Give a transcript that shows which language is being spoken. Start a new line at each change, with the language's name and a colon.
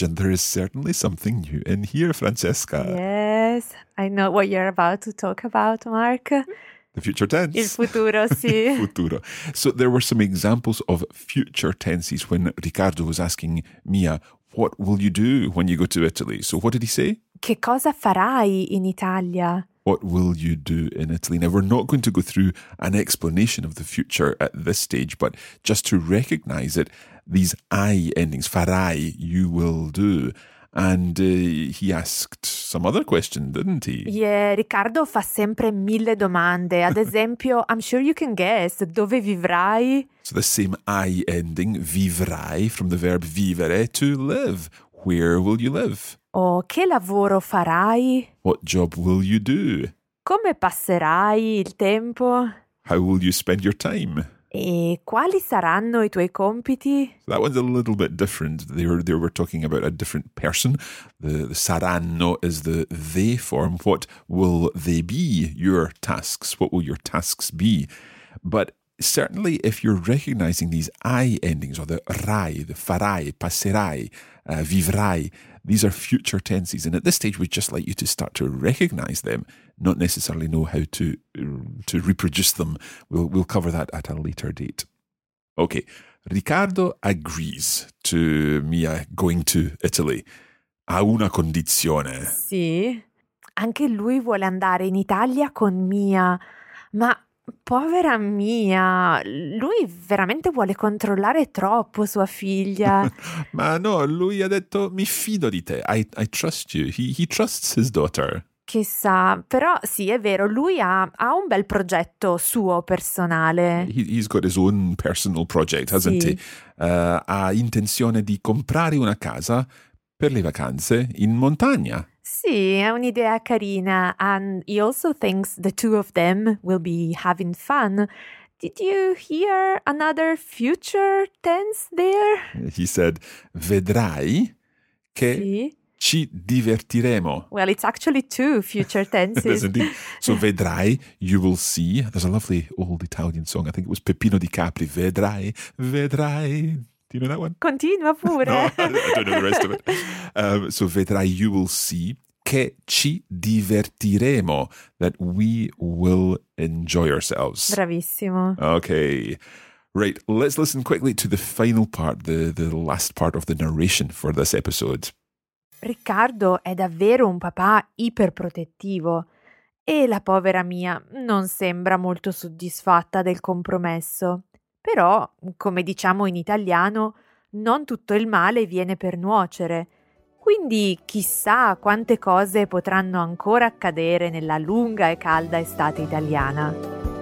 English: And there is certainly something new in here, Francesca. Yes, I know what you're about to talk about, Mark. The future tense.
Italian: Il futuro, sì. Il futuro.
English: So there were some examples of future tenses when Riccardo was asking Mia, what will you do when you go to Italy? So what did he say?
Italian: Che cosa farai in Italia?
English: What will you do in Italy? Now, we're not going to go through an explanation of the future at this stage, but just to recognize it, these I endings,
Italian: farai,
English: you will do. And he asked some other question, didn't he?
Italian: Yeah, Riccardo fa sempre mille domande. Ad esempio,
English: I'm sure you can guess,
Italian: dove vivrai?
English: So the same I ending, vivrai, from the verb vivere, to live. Where will you live?
Italian: Oh, che lavoro farai?
English: What job will you do?
Italian: Come passerai il tempo?
English: How will you spend your time?
Italian: E quali saranno i tuoi compiti?
English: So that one's a little bit different. There we're talking about a different person. The saranno is the they form. What will they be, your tasks? What will your tasks be? But certainly if you're recognizing these I endings, or the rai, the farai, passerai, vivrai, these are future tenses, and at this stage we'd just like you to start to recognize them, not necessarily know how to reproduce them. We'll cover that at a later date. Okay, Riccardo agrees to Mia going to Italy.
Italian: A una condizione. Sì, anche lui vuole andare in Italia con Mia, ma povera Mia, lui veramente vuole controllare troppo sua figlia. Ma no, lui ha detto mi fido di te,
English: I trust you, he trusts his daughter.
Italian: Chissà, però sì, è vero, lui ha un bel progetto suo personale.
English: He's got his own personal project, hasn't
Italian: sì.
English: he?
Italian: Ha intenzione di comprare una casa per le vacanze in montagna. Sì, è un'idea carina,
English: and he also thinks the two of them will be having fun. Did you hear another future tense there?
Italian: He said, vedrai che sì. ci divertiremo.
English: Well, it's actually two future tenses. So vedrai, you will see. There's a lovely old Italian song, I think it was Peppino di Capri. Vedrai, vedrai. Do you know that one?
Italian: Continua pure.
English: No, I don't know the rest of it. So vedrai, you will see,
Italian: che ci divertiremo,
English: that we will enjoy ourselves.
Italian: Bravissimo.
English: Okay. Right, let's listen quickly to the final part, the last part of the narration for this episode.
Italian: Riccardo è davvero un papà iperprotettivo e la povera Mia non sembra molto soddisfatta del compromesso. Però, come diciamo in italiano, non tutto il male viene per nuocere. Quindi chissà quante cose potranno ancora accadere nella lunga e calda estate italiana.